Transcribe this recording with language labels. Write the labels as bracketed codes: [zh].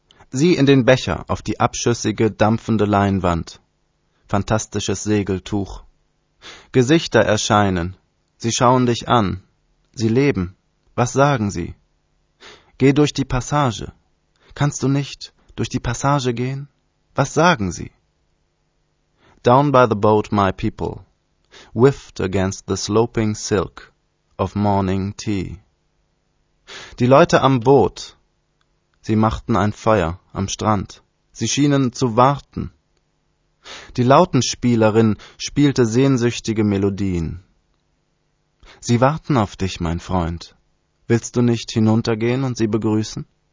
[de] Sieh in den Becher auf die abschüssige, dampfende Leinwand, fantastisches Segeltuch. Gesichter erscheinen, sie schauen dich an, sie leben, was sagen sie? Geh durch die Passage, kannst du nicht durch die Passage gehen? Was sagen sie? [en] Down by the boat my people, whiffed against the sloping silk of morning tea. [de] Die Leute am Boot, sie machten ein Feuer am Strand, sie schienen zu warten. Die Lautenspielerin spielte sehnsüchtige Melodien. Sie warten auf dich, mein Freund. Willst du nicht hinuntergehen und sie begrüßen?